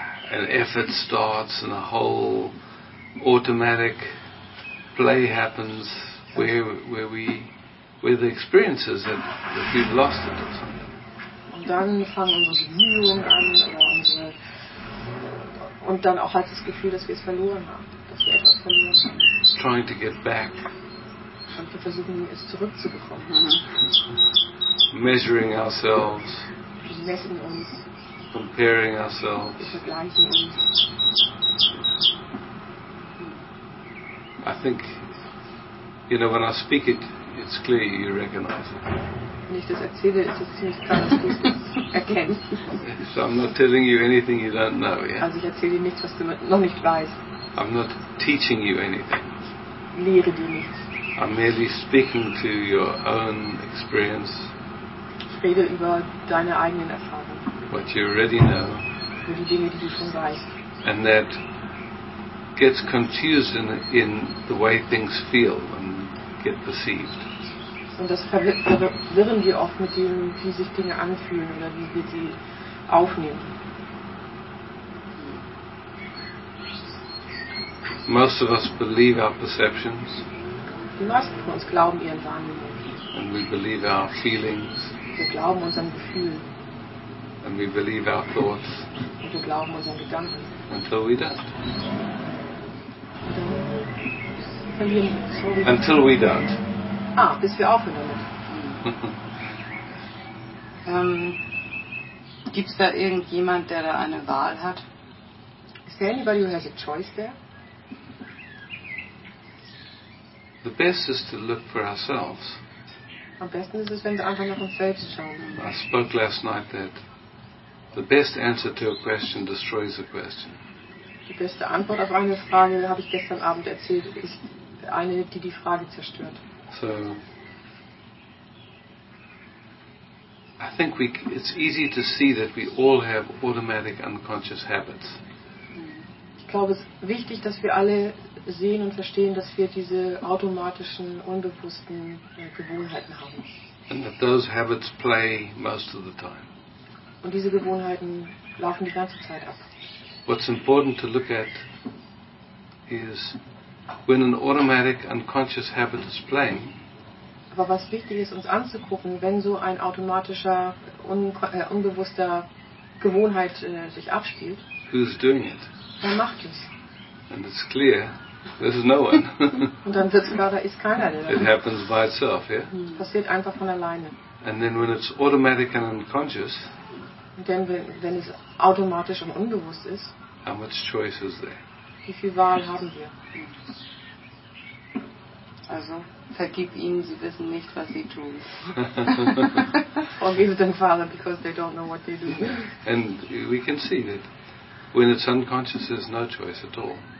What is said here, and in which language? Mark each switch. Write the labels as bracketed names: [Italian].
[English] An effort starts and a whole automatic play happens where the experience is that we've lost it or something. [German] Und dann fangen unsere Bemühungen an und dann auch halt das Gefühl, dass wir es verloren haben, dass wir etwas verloren haben. [English] Trying to get back. [German] Und wir versuchen es zurückzubekommen. [English] Measuring ourselves. [German] Wir messen uns. [English] Comparing ourselves. [German] Wir vergleichen uns. [English] I think, you know, when I speak it, it's clear you recognize it. [German] wenn ich das erzähle, ist es ziemlich klar, dass du es erkennst. [English] So I'm not telling you anything you don't know, yeah? [German] Also ich erzähle dir nichts, was du noch nicht weißt. [English] I'm not teaching you anything. [German] Ich lehre dir nichts. [English] I'm merely speaking to your own experience. [German] Ich rede über deine eigenen Erfahrungen. [English] What you already know. [German] Über die Dinge, die du schon weißt. [English] And that gets confused in the way things feel and get perceived. [German] Und das verwirren wir oft mit dem, wie sich Dinge anfühlen oder wie wir sie aufnehmen. [English] Most of us believe our perceptions. [German] Die meisten von uns glauben ihren Wahrnehmungen. [English] And we believe our feelings. [German] Wir glauben unseren Gefühlen. [English] And we believe our thoughts. [German] Und wir glauben unseren Gedanken. [English] Until we don't. Sorry. Until we don't. [German] Ah, bis wir aufhören damit. Gibt's da irgendjemand, der da eine Wahl hat? [English] Is there anybody who has a choice there? The best is to look for ourselves. [German] Am besten ist es, wenn wir einfach nach uns selbst schauen. [English] I spoke last night that the best answer to a question destroys the question. [German] Die beste Antwort auf eine Frage, habe ich gestern Abend erzählt, ist eine, die die Frage zerstört. [English] So, I think it's easy to see that we all have automatic unconscious habits. [German] Ich glaube, es ist wichtig, dass wir alle sehen und verstehen, dass wir diese automatischen, unbewussten Gewohnheiten haben. [English] And that those habits play most of the time. [German] Und diese Gewohnheiten laufen die ganze Zeit ab. [English] What's important to look at is when an automatic unconscious habit is playing. [German] Aber was wichtig ist, uns anzugucken, wenn so ein automatischer, unbewusster Gewohnheit sich abspielt. [English] Who's doing it? [German] Wer macht es? [English] And it's clear, there's no one. [German] Und dann wird's klar, da ist keiner. [English] It happens by itself, yeah? Es [German] passiert einfach von alleine. [English] And then when it's automatic and unconscious. [German] Denn wenn es automatisch und unbewusst ist, [English] how much choice is there? [German] Wie viel Wahl haben wir? Also, vergib ihnen, sie wissen nicht, was sie tun. [English] Or give them Father, because they don't know what they do. And we can see that when it's unconscious, there's no choice at all.